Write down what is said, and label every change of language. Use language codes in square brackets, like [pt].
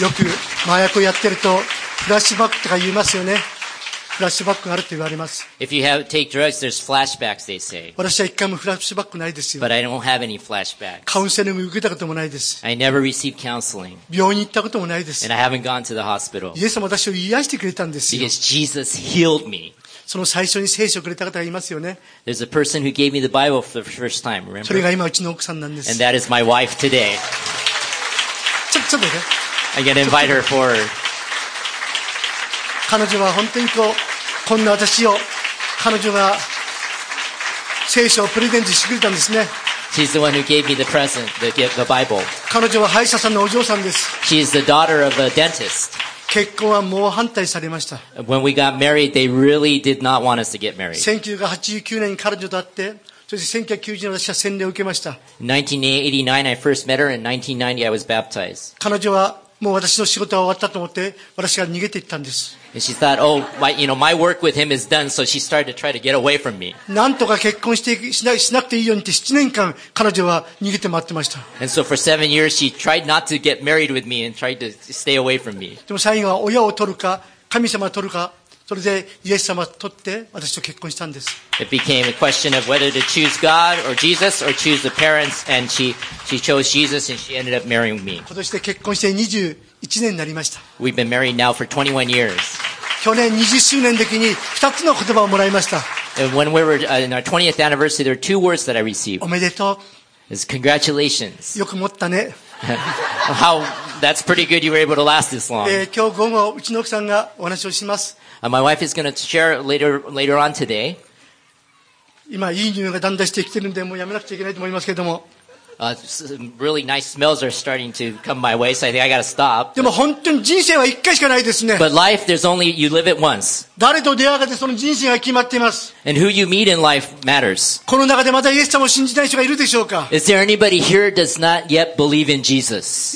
[ja] よく麻薬をやってるとフラッシュバックとか言いますよね。フラッシュバックがあると言われます。 [en] If you have, take drugs, there's flashbacks, they say. [ja] 私は一回もフラッシュバックないですよ。 [en] But I don't have any flashbacks. [ja] カウンセリングも受けたこともないです。 [en] I never received counseling. [ja] 病院に行ったこともないです。 [en] And I haven't gone to the hospital. [ja] イエス様は私を癒してくれたんですよ。 [en] Because Jesus healed me. [ja] その最初に聖書をくれた方がいますよね。 [en] There's a person who gave me the Bible for the first time, remember? [ja] それが今うちの奥さんなんです。 [en] And that is my wife today. [ja] ちょっと待って。 [en] I can invite her forward. [ja] 彼女は本当にこう、こんな私を彼女が聖書をプレゼントしてくれたんですね。 [en] She's the one who gave me the present, the Bible. [ja] 彼女は歯医者さんのお嬢さんです。 [en] She's the daughter of a dentist. [ja] 結婚はもう反対されました。 [en] When we got married, they really did not want us to get married. [ja] 1989年に彼女と会って、そして1990年私は洗礼を受けました。 [en] 1989, I first met her, and 1990, I was baptized. [ja] 彼女はもう私の仕事は終わったと思って、私が逃げていったんです。 [en] And she thought, oh, my, you know, my work with him is done, so she started to try to get away from me. [ja] なんとか結婚して、しなくていいようにって7年間彼女は逃げて待ってました。 [en] And so for seven years she tried not to get married with me and tried to stay away from me. [ja] でも最後は親を取るか、神様を取るか、それでイエス様を取って私と結婚したんです。 [en] It became a question of whether to choose God or Jesus or choose the parents, and she chose Jesus and she ended up marrying me. [ja] 今年で結婚して21年になりました。 [en] We've been married now for 21 years. [ja] 去年20周年の時に2つの言葉をもらいました。 [en] And when we were in our 20th anniversary, there are two words that I received. [ja] おめでとう。 [en] It's congratulations. [ja] よく持ったね。 [en] How, that's pretty good you were able to last this long. [ja] 今日午後、うちの奥さんがお話をします。 [en] My wife is going to share later on today. [ja] 今、いい匂いがだんだんしてきてるんで、もうやめなくちゃいけないと思いますけども。 [en] Really nice smells are starting to come my way, so I think I gotta stop. [ja] でも本当に人生は一回しかないですね。 [en] But life, there's only, you live it once. [ja] 誰と出会うかでその人生が決まっています。 [en] And who you meet in life matters. [ja] この中でまだイエス様を信じない人がいるでしょうか。 [en] Is there anybody here does not yet believe in Jesus?